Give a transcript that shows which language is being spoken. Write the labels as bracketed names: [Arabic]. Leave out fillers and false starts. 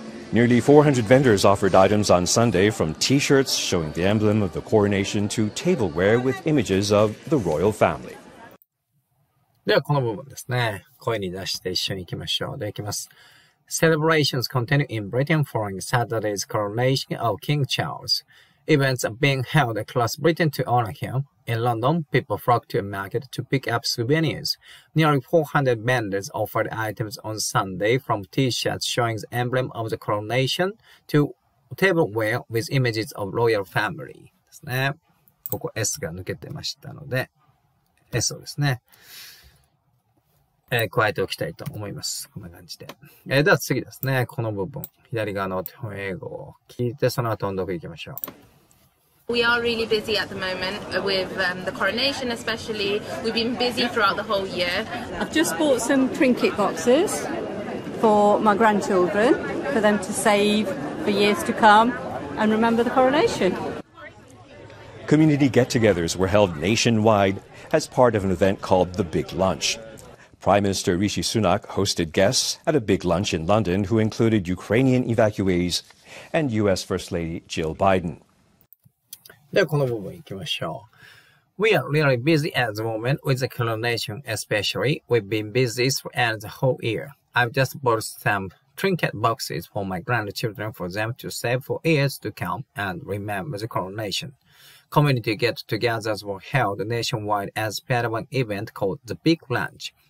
[English] Nearly 400 vendors offered items on Sunday, from T-shirts showing the emblem of the coronation to tableware with images of the royal family. [Japanese] ではこの部分ですね、声に出して一緒に行きましょう。では行きます。 [English] Celebrations continue in Britain following Saturday's coronation of King Charles. Events are being held across Britain to honor him. In London, people flocked to a market to pick up souvenirs. Nearly 400 vendors offered items on Sunday, from T-shirts showing the emblem of the coronation to tableware with images of royal family. [Japanese] ですね。ここ S が抜けてましたので、S をですね。加えておきたいと思います。こんな感じで。では次ですね。この部分。左側の基本英語を聞いて、その後音読いきましょう。 [English] We are really busy at the moment with the coronation especially. We've been busy throughout the whole year. I've just bought some trinket boxes for my grandchildren, for them to save for years to come and remember the coronation. Community get-togethers were held nationwide as part of an event called the Big Lunch. Prime Minister Rishi Sunak hosted guests at a big lunch in London who included Ukrainian evacuees and U.S. First Lady Jill Biden. [Japanese] ではこの部分行きましょう。 [English] We are really busy at the moment with the coronation especially. We've been busy throughout the whole year. I've just bought some trinket boxes for my grandchildren for them to save for years to come and remember the coronation. Community get-togethers were held nationwide as part of an event called the Big Lunch.